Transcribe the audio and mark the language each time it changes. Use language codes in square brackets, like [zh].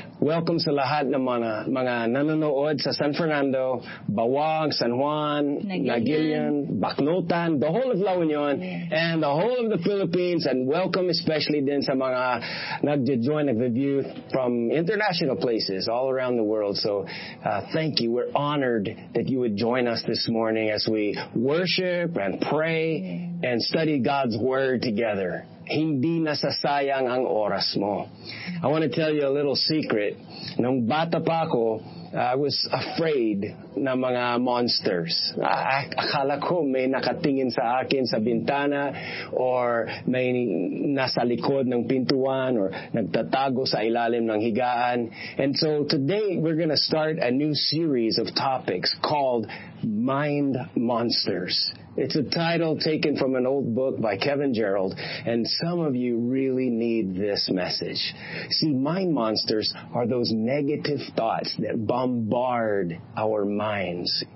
[en] Welcome [tl] sa lahat ng mga nanonood sa [en] San Fernando, Bawag, San Juan, Naguilian, Baclotan, the whole of La Union, and the whole of the Philippines, and welcome especially [tl] din sa mga nag-join [en] of the view from international places all around the world. So thank you. We're honored that you would join us this morning as we worship and pray and study God's Word together. [tl] Hindi nasasayang ang oras mo. [en] I want to tell you a little secret. [tl] Nung bata pa ako, [en] I was afraid [tl] na mga [en] monsters. [tl] Akala ko may nakatingin sa akin sa bintana or may nasa likod ng pintuan or nagtatago sa ilalim ng higaan. [en] And so today we're going to start a new series of topics called Mind Monsters. It's a title taken from an old book by Kevin Gerald, and some of you really need this message. See, mind monsters are those negative thoughts that bombard our minds.